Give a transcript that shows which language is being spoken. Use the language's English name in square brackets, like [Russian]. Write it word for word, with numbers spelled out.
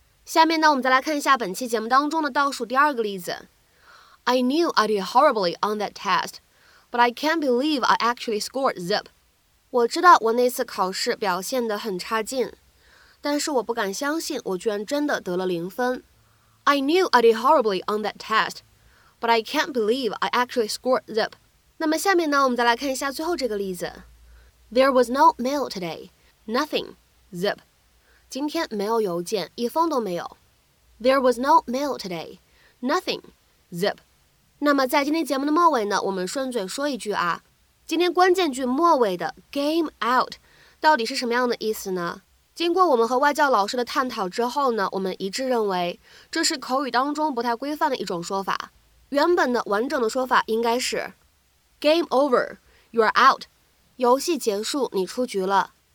[Chinese] 下面呢，我们再来看一下本期节目当中的倒数第二个例子。 [English] I knew I did horribly on that test, but I can't believe I actually scored zip. [Chinese] 我知道我那次考试表现得很差劲，但是我不敢相信我居然真的得了零分。 [English] I knew I did horribly on that test, but I can't believe I actually scored zip. [Chinese] 那么下面呢，我们再来看一下最后这个例子。 [English] There was no mail today, nothing, zip. [Chinese] 今天没有邮件，一封都没有。 [English] There was no mail today, nothing, zip. [Chinese] 那么在今天节目的末尾呢，我们顺嘴说一句啊，今天关键句末尾的 game out 到底是什么样的意思呢？经过我们和外教老师的探讨之后呢，我们一致认为这是口语当中不太规范的一种说法。原本的完整的说法应该是 [English] game over, you are out， [Chinese] 游戏结束，你出局了。